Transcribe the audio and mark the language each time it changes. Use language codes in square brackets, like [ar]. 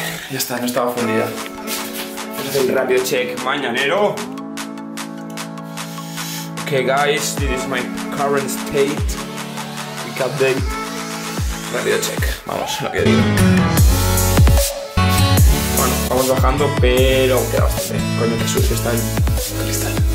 [es] Ya está, no estaba fundida. Vamos a hacer un rápido check mañanero. [en] Ok, guys, this is my current state. Quick update. [es] Rápido check, vamos, lo que digo. Bueno, vamos bajando, pero queda bastante. Coño, que sucio está el cristal.